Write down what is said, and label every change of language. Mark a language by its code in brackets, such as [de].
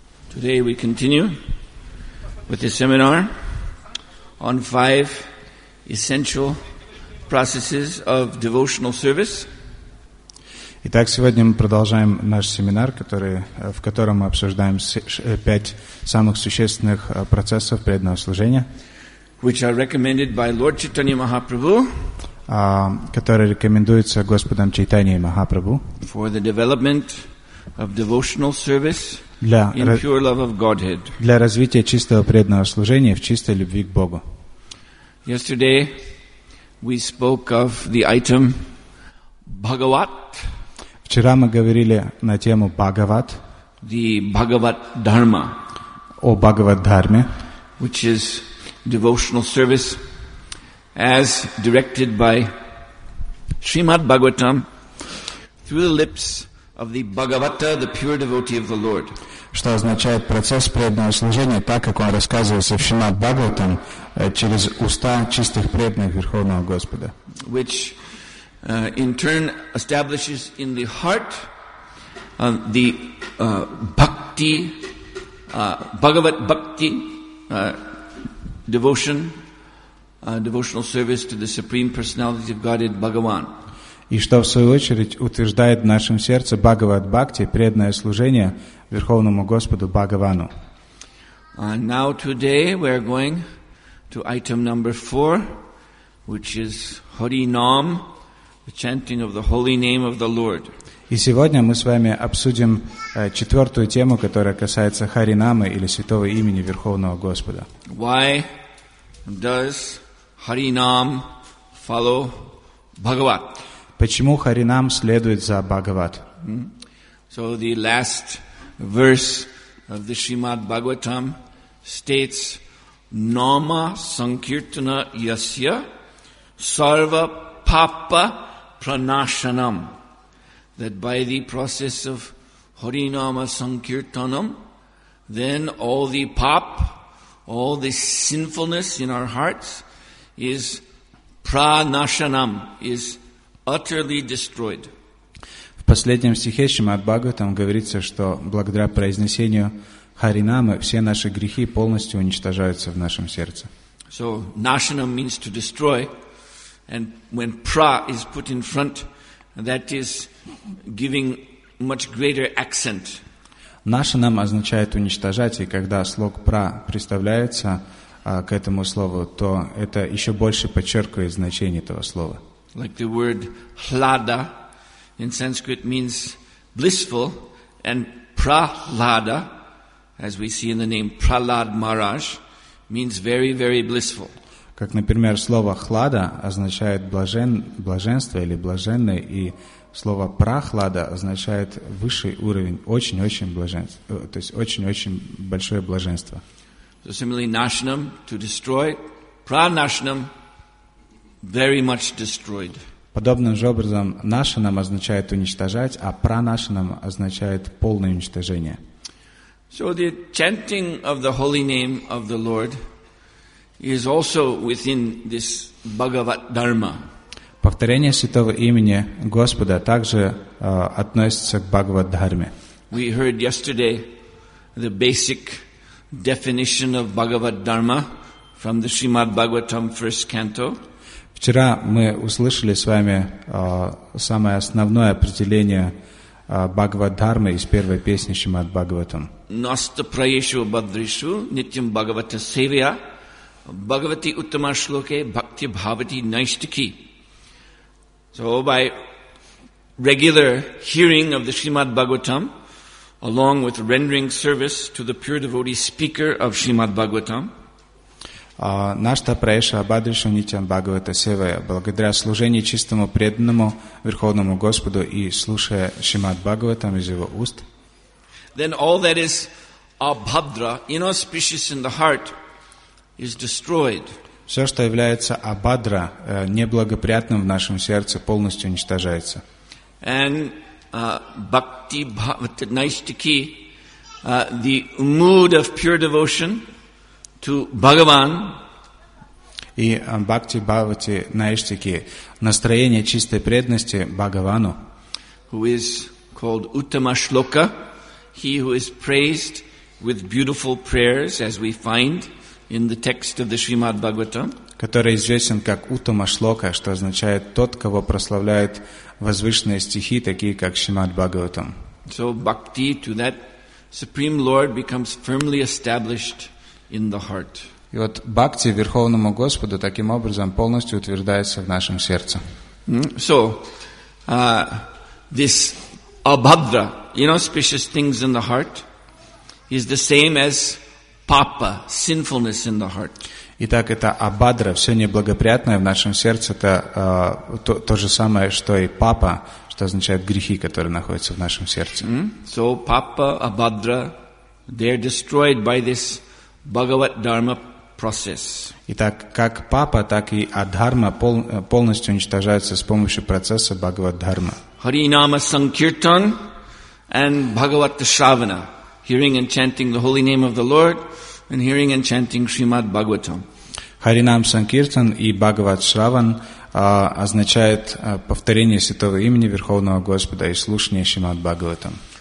[en] Today we continue with the seminar on five essential processes of devotional service. [ru] Итак, сегодня мы продолжаем наш семинар, в котором мы обсуждаем пять самых существенных процессов преданного служения, [en] which are recommended by Lord Chaitanya Mahaprabhu, [ru] которые рекомендуются Господом Чайтаньей Махапрабху, [en] for the development of devotional service in pure love of Godhead. [ru] Для развития чистого преданного служения в чистой любви к Богу. [en] Yesterday we spoke of the item Bhagavat. [ru] Вчера мы говорили на тему Бхагават. [en] The Bhagavat Dharma. [ru] О Бхагават Дхарме. [en] Which is devotional service as directed by Srimad Bhagavatam through the lips of the Bhagavata, the pure devotee of the Lord. [ru] Что означает процесс преданного служения, так как он рассказывается в Шримад Бхагаватам через уста чистых преданных Верховного Господа. [en] Which in turn establishes in the heart the bhakti, Bhagavat bhakti, devotion, devotional service to the Supreme Personality of Godhead, Bhagavan. [ru] И что, в свою очередь, утверждает в нашем сердце Бхагават Бхакти, преданное служение Верховному Господу Бхагавану. [en] Now today we are going to item number four, which is Hari Nam, the chanting of the holy name of the Lord. [ru] И сегодня мы с вами обсудим четвертую тему, которая касается Хари Намы или Святого Имени Верховного Господа. [en] Why does Hari Nam follow Bhagavat? [ru] Почему Харинам следует за Бхагават? [en] So the last verse of the Shrimad Bhagavatam states [sa] Nama Sankirtana Yasya Sarva Papa Pranashanam, [en] that by the process of Harinama Sankirtanam, then all the pap, all the sinfulness in our hearts is Pranashanam, is utterly destroyed. [ru] В последнем стихе Шримад Бхагаватам говорится, что благодаря произнесению Харинамы все наши грехи полностью уничтожаются в нашем сердце. [en] So nashanam means to destroy, and when pra is put in front, that is giving much greater accent. [ru] Nashanam означает уничтожать, и когда слог пра представляется к этому слову, то это еще больше подчеркивает значение этого слова. [en] Like the word hlada in Sanskrit means blissful, and prahlada, as we see in the name Prahlad Maharaj, means very, very blissful. [ru] Как, например, слово хлада означает блаженство или блаженный, и слово прахлада означает высший уровень, очень-очень блаженство, то есть очень-очень большое блаженство. [en] So similarly, nashanam, to destroy, pranashanam, very much destroyed. [ru] Подобным же образом нашанам означает уничтожать, а пранашанам означает полное уничтожение. [en] So the chanting of the holy name of the Lord is also within this Bhagavat Dharma. [ru] Повторение святого имени Господа также относится к Бхагават Дхарме. [en] We heard yesterday the basic definition of Bhagavat Dharma from the Srimad Bhagavatam first canto. [ru] Вчера мы услышали с вами самое основное определение Бхагавад-дхармы из первой песни Шримад Бхагаватам. [sa] Наста праешу бадришу нитям Бхагавата севия Бхагавати уттама шлоке бхакти бхавати найштики. [en] So by regular hearing of the Shrimad Bhagavatam along with rendering service to the pure devotee speaker of Shrimad Bhagavatam, [sa] Нашта праеша бадриша нитям Бхагавата севая, [ru] благодаря служению чистому преданному Верховному Господу и слушая Шримад Бхагаватам из его уст, [en] then all that is abhadra, inauspicious in the heart, is destroyed. [ru] Все, что является абхадра, неблагоприятным в нашем сердце, полностью уничтожается. [en] And [sa] bhakti bhavata naishtiki, [en] the mood of pure devotion to Bhagavan, [ru] и [sa] бхакти бхавати наиштики, [ru] настроение чистой преданности Бхагавану, [en] who is called Uttama Shloka, he who is praised with beautiful prayers, as we find in the text of the Srimad Bhagavatam. [ru] Который известен как Uttama Shloka, что означает тот, кого прославляют возвышенные стихи, такие как Шримад Бхагаватам. [en] So bhakti to that Supreme Lord becomes firmly established in the heart. [ru] И вот бхакти Верховному Господу таким образом полностью утверждается в нашем сердце. [en] So, this abhadra, inauspicious things in the heart, is the same as papa, sinfulness in the heart. [ru] Итак, это абхадра, все неблагоприятное в нашем сердце, это то же самое, что и папа, что означает грехи, которые находятся в нашем сердце. [en] So, papa, abhadra, they are destroyed by this Bhagavad Dharma process. [ru] Итак, как папа, так и адхарма полностью уничтожаются с помощью процесса Бхагавад Дхарма. [en] Харинама Санкиртан and Bhagavata Shravana, hearing and chanting the holy name of the Lord and hearing and chanting Srimad Bhagavatam. [ru] Харинам Санкиртан и Бхагават Шраван означает повторение святого имени Верховного Господа и слушание Шримад Бхагаватам.